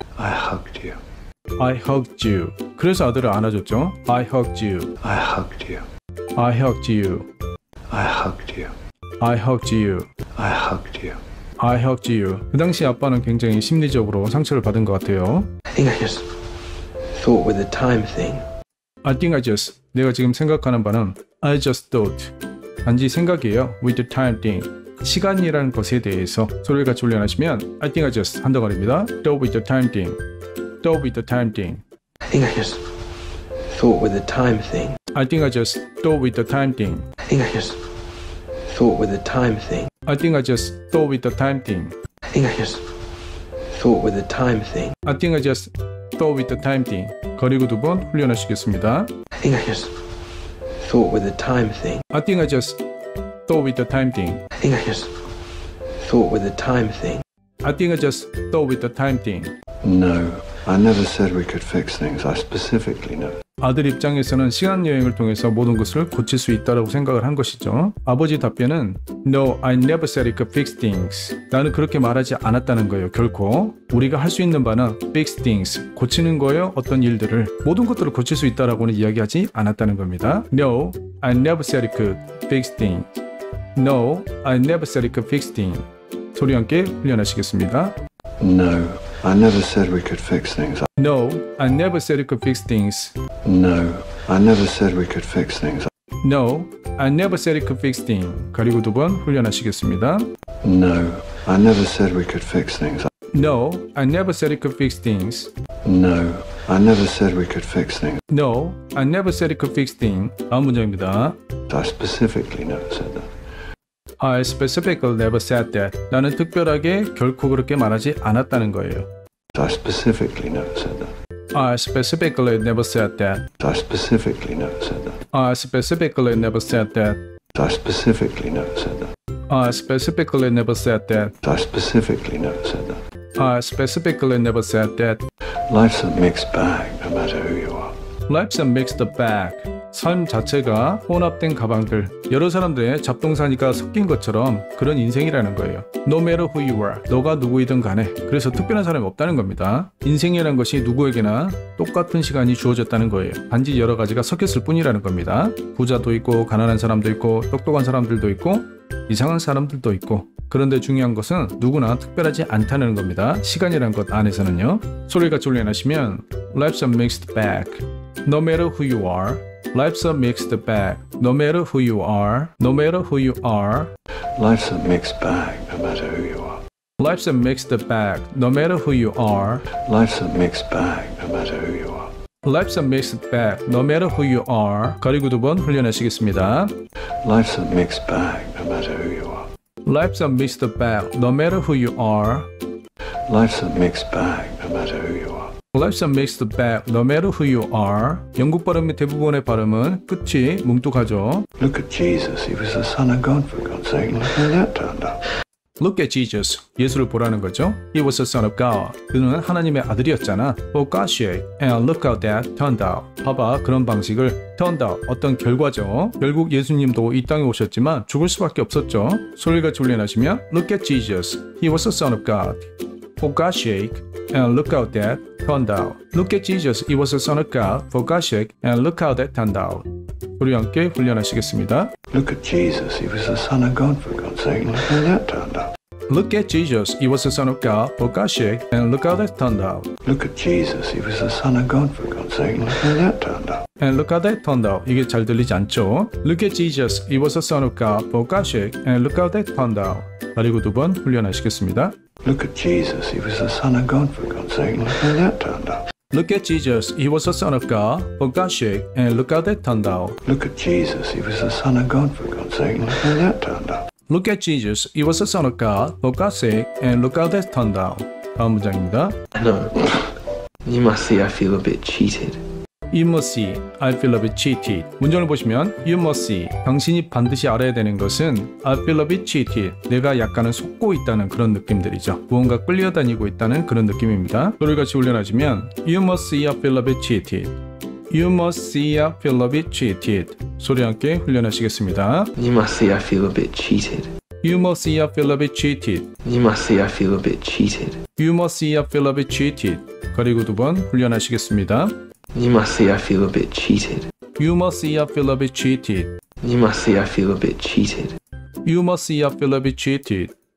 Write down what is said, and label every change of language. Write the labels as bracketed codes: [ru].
[en] I hugged you. I hugged you. [ko] 그래서 아들을 안아줬죠? [en] I hugged you. I hugged you. I hugged you. I hugged you. I hugged you. I hugged you. I hugged you. [ko] 그 당시 아빠는 굉장히 심리적으로 상처를 받은 것 같아요. [en] I think I just thought with the time thing. I think I just. [ko] 내가 지금 생각하는 바는 [en] I just thought. [ko] 단지 생각이에요. [en] With the time thing. [ko] 시간이라는 것에 대해서 소리를 같이 훈련하시면 [en] I think I just [ko] 한 덩어리입니다. [en] Thought with the time thing. Thought with the time thing. I think I just thought with the time thing. I think I just thought with the time thing. I think I just thought with the time thing. I think I just thought with the time thing. I think I just thought with the time thing. I think I just thought with the time thing. [ko] 그리고 두 번 훈련하시겠습니다. [en] I think I just thought with the time thing. I think I just thought with the time thing. I think I just thought with the time thing. I think I just thought with the time thing. No, I never said we could fix things. I specifically know. [ko] 아들 입장에서는 시간 여행을 통해서 모든 것을 고칠 수 있다고 생각을 한 것이죠. 아버지 답변은 [en] No, I never said I could fix things. [ko] 나는 그렇게 말하지 않았다는 거예요. 결코 우리가 할 수 있는 바는 [en] fix things. [ko] 고치는 거예요. 어떤 일들을 모든 것들을 고칠 수 있다고는 이야기하지 않았다는 겁니다. [en] No, I never said I could fix things. No, I never said we could fix things. [ko] 소리 함께 훈련하시겠습니다. [en] No, I never said we could fix things. No, I never said we could fix things. No, I never said we could fix things. No, I never said we could fix things. [ko] 그리고 두 번 훈련하시겠습니다. [en] No, I never said we could fix things. No, I never said we could fix things. No, I never said we could fix things. No, I never said we could fix things. [ko] 다음 문장입니다. [en] I specifically never said that. I specifically never said that. [ko] 나는 특별하게 결코 그렇게 말하지 않았다는 거예요. [en] I specifically never said that. I specifically never said that. I specifically never said that. I specifically never said that. I specifically never said that. I specifically never said that. I specifically never said that. I specifically never said that. Life's a mixed bag, no matter who you are. Life's a mixed bag. [ko] 삶 자체가 혼합된 가방들, 여러 사람들의 잡동사니까 섞인 것처럼 그런 인생이라는 거예요. [en] No matter who you are, [ko] 너가 누구이든 간에. 그래서 특별한 사람이 없다는 겁니다. 인생이라는 것이 누구에게나 똑같은 시간이 주어졌다는 거예요. 단지 여러 가지가 섞였을 뿐이라는 겁니다. 부자도 있고, 가난한 사람도 있고, 똑똑한 사람들도 있고, 이상한 사람들도 있고. 그런데 중요한 것은 누구나 특별하지 않다는 겁니다. 시간이란 것 안에서는요. 소리를 같이 훈련하시면 [en] Life's a mixed bag. No matter who you are, Life's a mixed bag. No matter who you are, no matter who you are. Life's a mixed bag, no matter who you are. Life's a mixed bag, no matter who you are. Life's a mixed bag, no matter who you are. Life's a mixed bag, no matter who you are. [ko] 그리고 두 번 훈련하시겠습니다. [en] Life's a mixed bag, no matter who you are. Life's a mixed bag, no matter who you are. Life's a mixed bag, no matter who you are. Life's a mixed bag, no matter who you are. [ko] 영국 발음의 대부분의 발음은 끝이 뭉뚝하죠. [en] Look at Jesus, he was the son of God for God's sake. Look how that turned out. Look at Jesus, [ko] 예수를 보라는 거죠. [en] He was the son of God. [ko] 그는 하나님의 아들이었잖아. [en] For God's sake, and look how that turned out. [ko] 봐봐, 그런 방식을 [en] turned out, [ko] 어떤 결과죠. 결국 예수님도 이 땅에 오셨지만 죽을 수밖에 없었죠. 소리가 졸리나시면 [en] Look at Jesus, he was the son of God. For God's sake, and look how that turned out. Look at Jesus, he was the son of God. For God's sake, and look how that turned out. [ko] 우리 함께 훈련하시겠습니다. [en] Look at Jesus, he was the son of God. For God's sake, look how that turned out. Look at Jesus, he was the son of God. For God's sake, and look how that turned out. Look at Jesus, he was the son of God. For God's sake, look how that turned out. And look how that turned out. [ko] 이게 잘 들리지 않죠? [en] Look at Jesus, he was the son of God. For God's sake, and look how that turned out. [ko] 그리고 두 번 훈련하시겠습니다. [en] Look at Jesus, he was the son of God. For God's sake, look how that turned out. Look at Jesus, he was the son of God. For God's sake, and look how that turned out. Look at Jesus, he was the son of God. For God's sake, look how that turned out. Look at Jesus, he was the son of God. For God's sake, and look how that turned out. [ko] 다음 문장입니다. [en] No, you must see I feel a bit cheated. You must see, I feel a bit cheated. [ko] 문장을 보시면 [en] You must see, [ko] 당신이 반드시 알아야 되는 것은 [en] I feel a bit cheated. [ko] 내가 약간은 속고 있다는 그런 느낌들이죠. 무언가 끌려다니고 있다는 그런 느낌입니다. 노래를 같이 올려놔주면 [en] You must see, I feel a bit cheated. You must see, I feel a bit cheated. [ko] 소리 함께 훈련하시겠습니다. [en] You must see, I feel a bit cheated. You must see, I feel a bit cheated. You must see, I feel a bit cheated. You must see, I feel a bit cheated. [ko] 그리고 두 번 훈련하시겠습니다. [en] You must see, I feel a bit cheated. You must see, I feel a bit cheated. You must see, I feel a bit cheated. You must see, I feel a bit cheated.